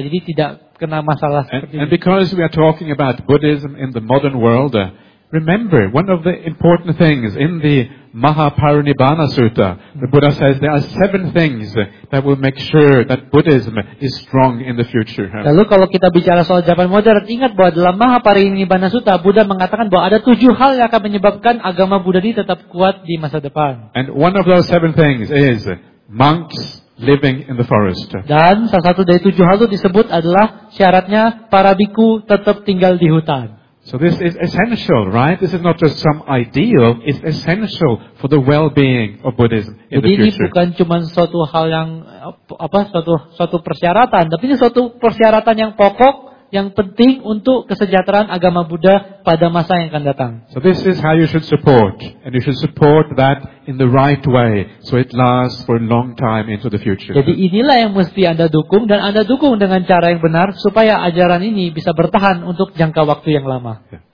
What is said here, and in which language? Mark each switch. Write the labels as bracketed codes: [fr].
[id] Jadi tidak kena masalah seperti ini. [en] And because we are talking about Buddhism in the modern world, remember one of the important things in the Mahaparinibbana Sutta, the Buddha says there are 7 things that will make sure that Buddhism is strong in the future. [id] Lalu kalau kita bicara soal zaman modern, ingat bahwa dalam Mahaparinibbana Sutta Buddha mengatakan bahwa ada 7 hal yang akan menyebabkan agama Buddha ini tetap kuat di masa depan. [en] And one of those 7 things is monks living in the forest. [id] Dan salah satu dari 7 hal itu disebut adalah syaratnya para bhikkhu tetap tinggal di hutan. [en] So this is essential, right? This is not just some ideal, it's essential for the well-being of Buddhism in the future. [id] Jadi ini bukan cuma suatu hal yang apa suatu persyaratan, tapi ini suatu persyaratan yang pokok yang penting untuk kesejahteraan agama Buddha pada masa yang akan datang. [en] So this is how you should support, and you should support that in the right way so it lasts for a long time into the future. [id] Jadi inilah yang mesti Anda dukung, dan Anda dukung dengan cara yang benar supaya ajaran ini bisa bertahan untuk jangka waktu yang lama.